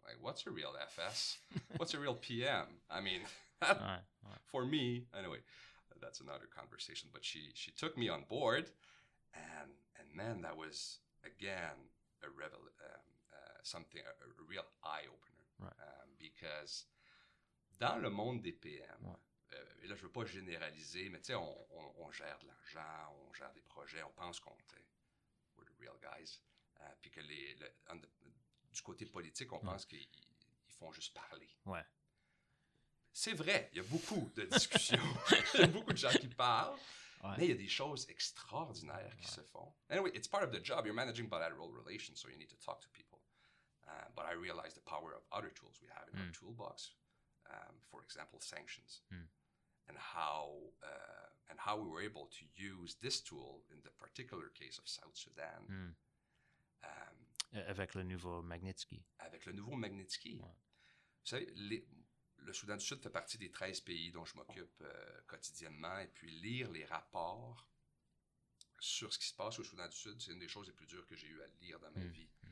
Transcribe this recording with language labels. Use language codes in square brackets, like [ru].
[en] Like, what's a real FS? What's a real PM? I mean, for me, anyway, that's another conversation. But she took me on board, and man, that was, again, a revelation. Something, a real eye-opener. Right. [fr] Because dans le monde des PM, et là, je ne veux pas généraliser, mais tu sais, on gère de l'argent, on gère des projets, on pense qu'on est « [en] we're the real guys [fr] », puis que du côté politique, on pense qu'ils font juste parler. Ouais. C'est vrai, il y a beaucoup de discussions, il y a beaucoup de gens qui parlent, mais il y a des choses extraordinaires qui se font. [en] Anyway, it's part of the job. You're managing bilateral relations, so you need to talk to people. But I realized the power of other tools we have in our toolbox, for example, sanctions, and how we were able to use this tool in the particular case of South Sudan. [fr] Avec le nouveau Magnitsky. Avec le nouveau Magnitsky. Vous savez, le Soudan du Sud fait partie des 13 pays dont je m'occupe quotidiennement, et puis lire les rapports sur ce qui se passe au Soudan du Sud, c'est une des choses les plus dures que j'ai eu à lire dans ma vie.